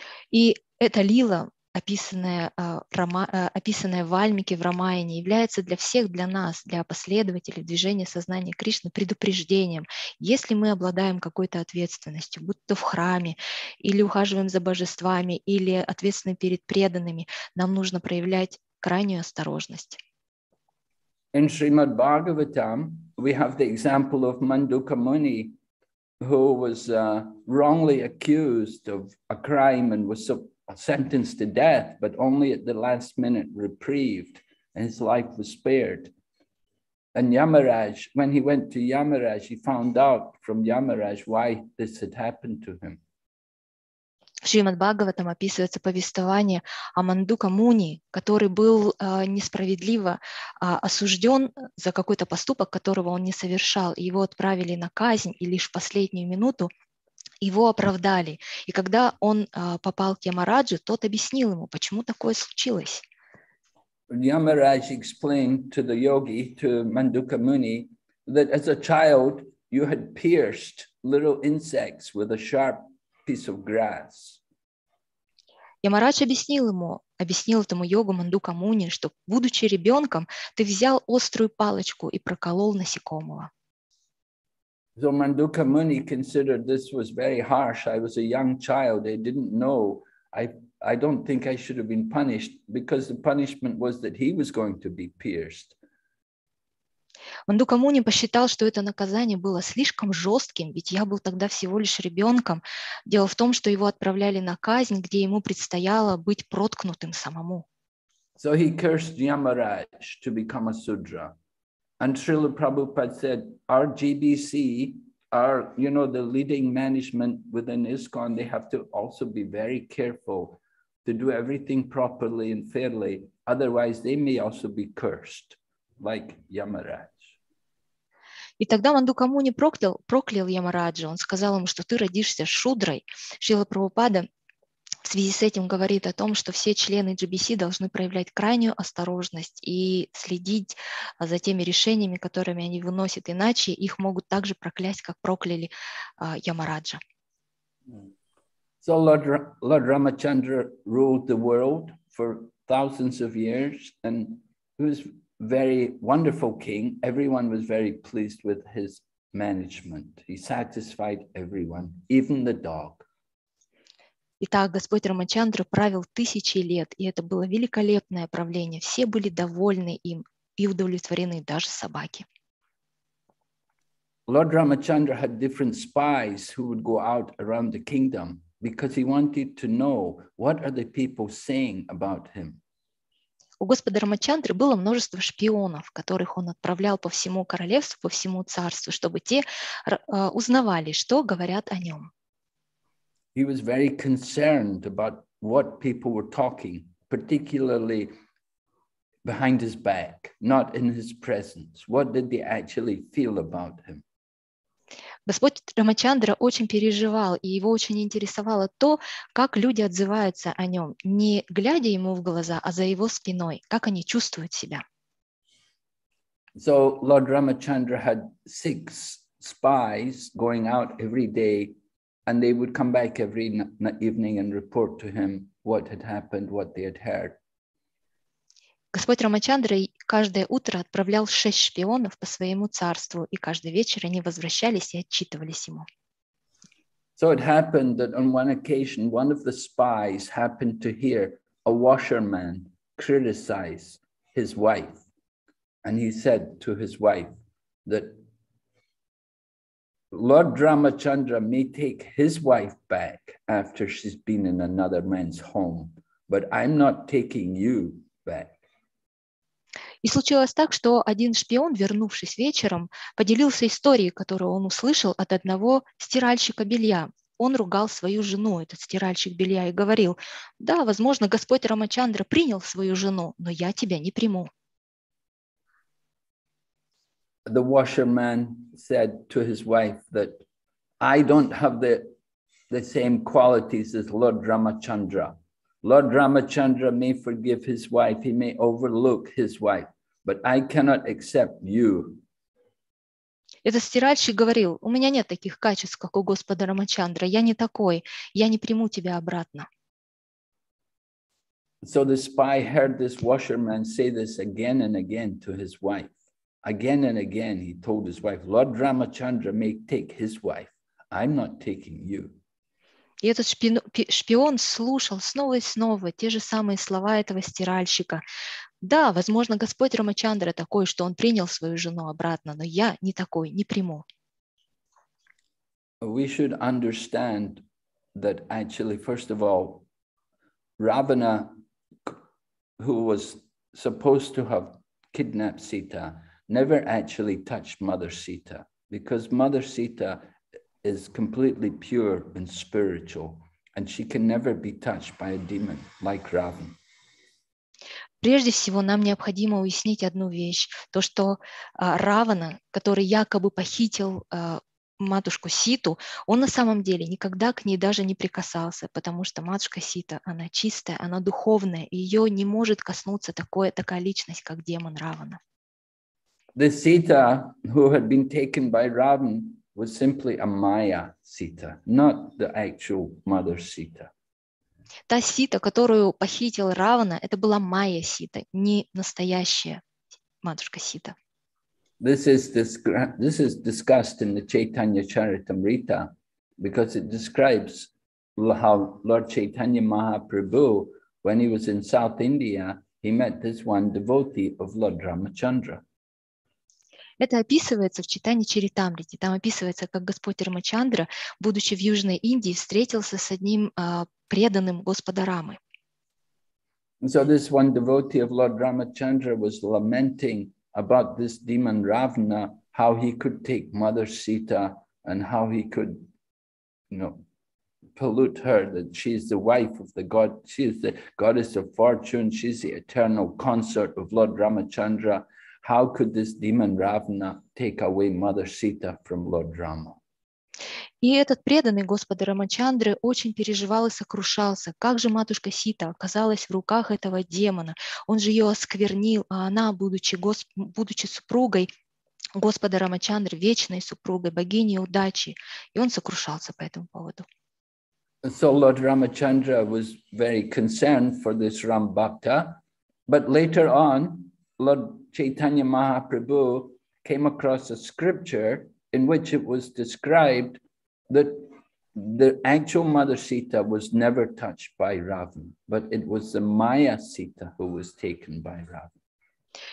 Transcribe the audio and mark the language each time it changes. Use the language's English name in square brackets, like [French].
[Russian] И эта лила, описанная в Вальмике, в Рамаяне, является для всех, для нас, для последователей движения сознания Кришны, предупреждением. Если мы обладаем какой-то ответственностью, будь то в храме, или ухаживаем за божествами, или ответственны перед преданными, нам нужно проявлять крайнюю осторожность. [English] In Srimad Bhagavatam, we have the example of Manduka Muni, who was wrongly accused of a crime and was sentenced to death, but only at the last minute reprieved, and his life was spared. And Yamaraj, when he went to Yamaraj, he found out from Yamaraj why this had happened to him. [Russian] В Шримад Бхагаватам описывается повествование о Мандука Муни, который был несправедливо осужден за какой-то поступок, которого он не совершал. Его отправили на казнь, и лишь в последнюю минуту его оправдали. И когда он попал к Ямараджу, тот объяснил ему, почему такое случилось. [English] Ямарадж explained to the yogi, to Мандука Муни, that as a child you had pierced little insects with a sharp piece of grass. [Russian] Ямарадж объяснил этому йогу Мандука Муни, что, будучи ребенком, ты взял острую палочку и проколол насекомого. [English] So Mandukha Muni considered this was very harsh. I was a young child. I didn't know. I don't think I should have been punished, because the punishment was that he was going to be pierced. [Russian] Мандука Муни посчитал, что это наказание было слишком жестким, ведь я был тогда всего лишь ребенком. Дело в том, что его отправляли на казнь, где ему предстояло быть проткнутым самому. [English] So he cursed Yamaraj to become a sudra. And Srila Prabhupada said, our GBC, our, you know, the leading management within ISKCON, they have to also be very careful to do everything properly and fairly. Otherwise, they may also be cursed, like Yamaraj. [Russian] И тогда Мандука Муни проклял Ямараджа. Он сказал ему, что ты родишься шудрой. Шрила Прабхупада в связи с этим говорит о том, что все члены GBC должны проявлять крайнюю осторожность и следить за теми решениями, которыми они выносят, иначе их могут также проклясть, как прокляли Ямараджа. [English] So Lord Ramachandra ruled the world for thousands of years, and he was very wonderful king. Everyone was very pleased with his management. He satisfied everyone, even the dog. [Russian] Итак, Господь Рамачандра правил тысячи лет, и это было великолепное правление. Все были довольны им и удовлетворены, даже собаки. [English] Lord Ramachandra had different spies who would go out around the kingdom because he wanted to know what are the people saying about him. [Russian] У Господа Рамачандры было множество шпионов, которых он отправлял по всему королевству, по всему царству, чтобы те узнавали, что говорят о нем. [English] He was very concerned about what people were talking, particularly behind his back, not in his presence. What did they actually feel about him? [Russian] Господь Рамачандра очень переживал, и его очень интересовало то, как люди отзываются о нем, не глядя ему в глаза, а за его спиной, как они чувствуют себя. [English] So Lord Ramachandra had six spies going out every day, and they would come back every evening and report to him what had happened, what they had heard. [Russian] Господь Рамачандра каждое утро отправлял 6 шпионов по своему царству, и каждый вечер они возвращались и отчитывались ему. [English] So it happened that on one occasion one of the spies happened to hear a washerman criticize his wife, and he said to his wife that Lord Ramachandra may take his wife back after she's been in another man's home, but I'm not taking you back. [Russian] И случилось так, что один шпион, вернувшись вечером, поделился историей, которую он услышал от одного стиральщика белья. Он ругал свою жену, этот стиральщик белья, и говорил: «Да, возможно, Господь Рамачандра принял свою жену, но я тебя не приму». [English] The washerman said to his wife that I don't have the same qualities as Lord Ramachandra. Lord Ramachandra may forgive his wife, he may overlook his wife, but I cannot accept you. [Russian] Этот стиральщик говорил: у меня нет таких качеств, как у Господа Рамачандра. Я не такой. Я не приму тебя обратно. [English] So the spy heard this washerman say this again and again to his wife. Again and again he told his wife, Lord Ramachandra may take his wife. I'm not taking you. [Russian] И этот шпион слушал снова и снова те же самые слова этого стиральщика. Да, возможно, Господь Рамачандра такой, что он принял свою жену обратно, но я не такой, не приму. [English] We should understand that actually, first of all, Ravana, who was supposed to have kidnapped Sita, never actually touched Mother Sita, because Mother Sita is completely pure and spiritual, and she can never be touched by a demon like Ravana. [Russian] Прежде всего, нам необходимо уяснить одну вещь, то, что Равана, который якобы похитил матушку Ситу, он на самом деле никогда к ней даже не прикасался, потому что матушка Сита, она чистая, она духовная, и ее не может коснуться такая личность, как демон Равана. [English] The Sita, who had been taken by Ravana, was simply a Maya Sita, not the actual mother Sita. [Russian] Та сита, которую похитил Равана, это была Майя сита, не настоящая матушка сита. [English] This is discussed in the Chaitanya Charitamrita, because it describes how Lord Chaitanya Mahaprabhu, when he was in South India, he met this one devotee of Lord Ramachandra. [Russian] Это описывается в Чайтанья Чаритамрите. Там описывается, как Господь Рамачандра, будучи в Южной Индии, встретился с одним преданным Господа Рамы. [English] So this one devotee of Lord Ramachandra was lamenting about this demon Ravana, how he could take Mother Sita and how he could, you know, pollute her, that she is the wife of the god, she is the goddess of fortune, she is the eternal consort of Lord Ramachandra. How could this demon Ravana take away Mother Sita from Lord Rama? [Russian] И этот преданный Господа Рамачандры очень переживал и сокрушался. Как же матушка Сита оказалась в руках этого демона? Он же ее осквернил, а она, будучи супругой Господа Рамачандры, вечной супругой, богиней удачи. И он сокрушался по этому поводу. [English] So Lord Ramachandra was very concerned for this Rambhakta. But later on, Lord Chaitanya Mahaprabhu came across a scripture in which it was described that the actual Mother Sita was never touched by Ravan, but it was the Maya Sita who was taken by Ravan.